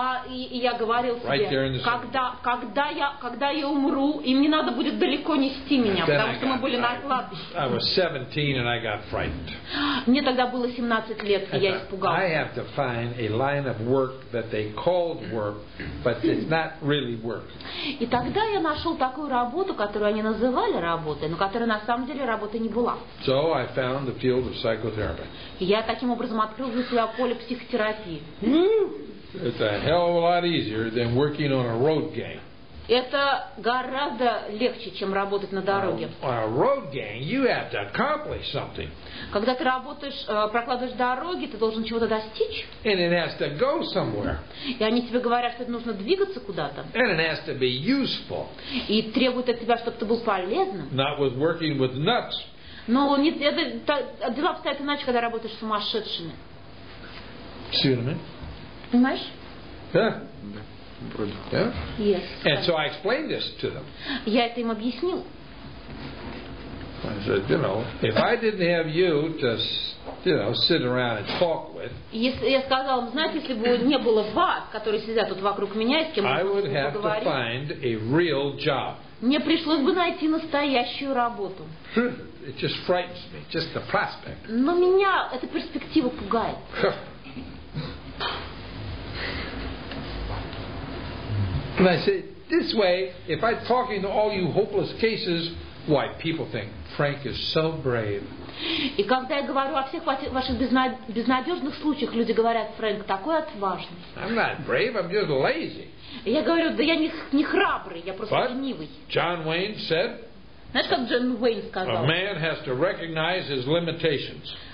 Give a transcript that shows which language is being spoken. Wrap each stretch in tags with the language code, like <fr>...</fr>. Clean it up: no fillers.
<ru>Я говорил себе, когда я умру, им не надо будет далеко нести меня, потому что мы были на кладбище.</ru> <en>I was 17 and I got frightened.</en> <ru>Мне тогда было 17 лет, и я испугался.</ru> <en>I have to find a line of work that they called work, but it's not really work.</en> <ru>И тогда я нашел такую работу, которую они называли работой, но которая на самом деле работой не была.</ru> <en>So I found the field of psychotherapy.</en> <ru>Я таким образом открыл для себя поле психотерапии.</ru> <en>It's a hell of a lot easier than working on a road gang.</en> <ru>Это гораздо легче, чем работать на дороге.</ru> <en>On a road gang, you have to accomplish something.</en> <ru>Когда ты работаешь, прокладываешь дороги, ты должен чего-то достичь.</ru> <en>And it has to go somewhere.</en> <ru>И они тебе говорят, что нужно двигаться куда-то.</ru> <en>And it has to be useful.</en> <ru>И требуют от тебя, чтобы ты был полезным.</ru> <en>Not with working with nuts.</en> <ru>Но дела обстоят иначе, когда работаешь с сумасшедшими. Сильными. Понимаешь? Да.</ru> <en>Yeah. And so I explained this to them.</en> <ru>Я это им объяснил.</ru> <en>I said, you know, if I didn't have you to, you know, sit around and talk with.</en> <ru>Я сказал, знаете, если бы не было вас, которые сидят тут вокруг меня, с кем</ru> <en>I would have to find a real job.</en> <ru>Мне пришлось бы найти настоящую работу.</ru> <en>It just frightens me, just the prospect.</en> <ru>Но меня эта перспектива пугает.</ru> <en>And I say, this way, if I'm talking to all you hopeless cases, why, people think Frank is so brave.</en> <ru>И когда я говорю о всех ваших безнадежных случаях, люди говорят, Фрэнк такой отважный.</ru> <en>I'm not brave, I'm just lazy.</en> <ru>Я говорю, да я не храбрый, я просто ленивый.</ru> <en>John Wayne said,</en> <ru>знаешь, как Джон Уэйн сказал?</ru> <en>A man has to recognize his limitations.</en>